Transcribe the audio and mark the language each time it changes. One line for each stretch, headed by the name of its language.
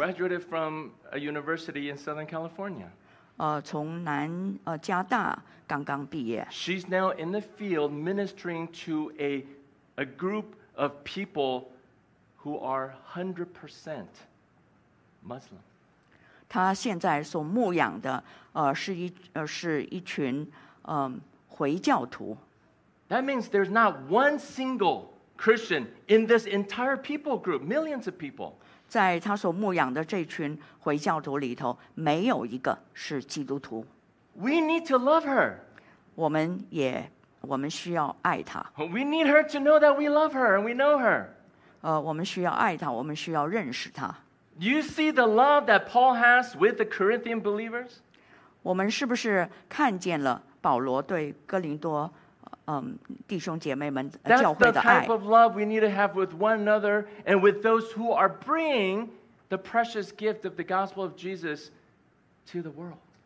English: ，graduated from a university in Southern California.
Chinese: 从南加大。刚刚毕业。
English: She's now in the field ministering to a group of people who are 100% Muslim.
Chinese: 他现在所牧养的是一群回教徒。
English: That means there's not one single Christian in this entire people group, millions of people.
Chinese: 在他所牧养的这群回教徒里头，没有一个是基督徒。
English: We need to love her.
Chinese: 我们需要爱她。
English: We need her to know that we love her and we know her.
Chinese: 我们需要爱她，我们需要认识她。
English: Do you see the love that Paul has with the Corinthian believers?
Chinese: 我们是不是看见了保罗对哥林多弟兄姐妹们教会的爱？
English: That's the type of love we need to have with one another and with those who are bringing the precious gift of the gospel of Jesus to the world.